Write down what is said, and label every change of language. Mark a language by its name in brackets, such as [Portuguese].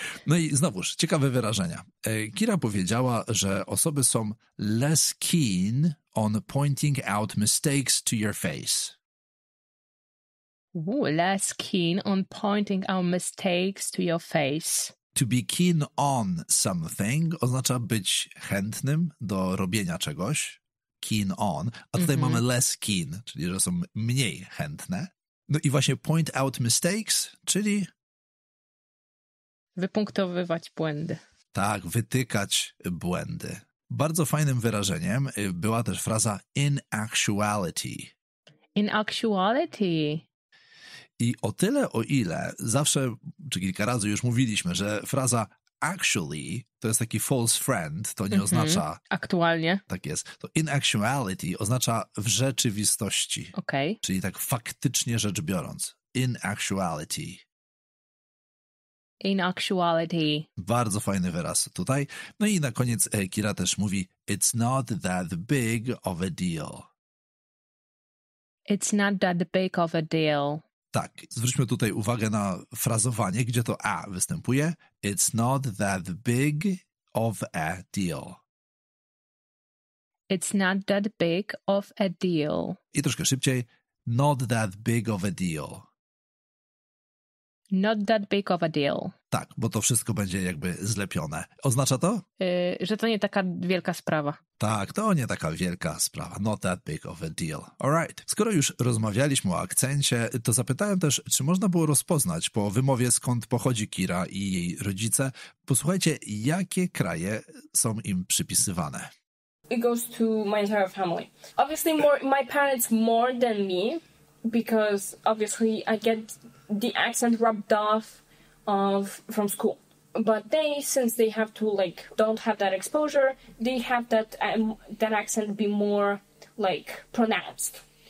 [Polish] No i znowuż, ciekawe wyrażenia. Kira powiedziała, że osoby są [English] less keen on pointing out mistakes to your face. Ooh, less keen on pointing out mistakes to your face. To be keen on something [Polish] oznacza być chętnym do robienia czegoś. [English] Keen on. [Polish] A tutaj mm-hmm. mamy [English] less keen, [Polish] czyli że są mniej chętne. No i właśnie [English] point out mistakes, [Polish] czyli... wypunktowywać błędy. Tak, wytykać błędy. Bardzo fajnym wyrażeniem była też fraza [English] in actuality. In actuality. [Polish] I o tyle, o ile zawsze, czy kilka razy już mówiliśmy, że fraza actually to jest taki false friend, to nie mm-hmm. oznacza... aktualnie. Tak jest. To [English] in actuality [Polish] oznacza w rzeczywistości. Okej. [English] Okay. [Polish] Czyli tak faktycznie rzecz biorąc. [English] In actuality. In actuality. [Polish] Bardzo fajny wyraz tutaj. No i na koniec Kira też mówi, [English] it's not that big of a deal. It's not that big of a deal. [Polish] Tak, zwróćmy tutaj uwagę na frazowanie, gdzie to a występuje. [English] It's not that big of a deal. It's not that big of a deal. I troszkę szybciej, not that big of a deal. Not that big of a deal. [Polish] Tak, bo to wszystko będzie jakby zlepione. Oznacza to? Że to nie taka wielka sprawa. Tak, to nie taka wielka sprawa. [English] Not that big of a deal. All right. [Polish] Skoro już rozmawialiśmy o akcencie, to zapytałem też, czy można było rozpoznać po wymowie, skąd pochodzi Kira i jej rodzice. Posłuchajcie, jakie kraje są im przypisywane. [English] It goes to my entire family. Obviously, my parents more than me. Because obviously I get the accent rubbed off from school. But they, since they have to, like, don't have that exposure, they have that that accent be more, like, pronounced.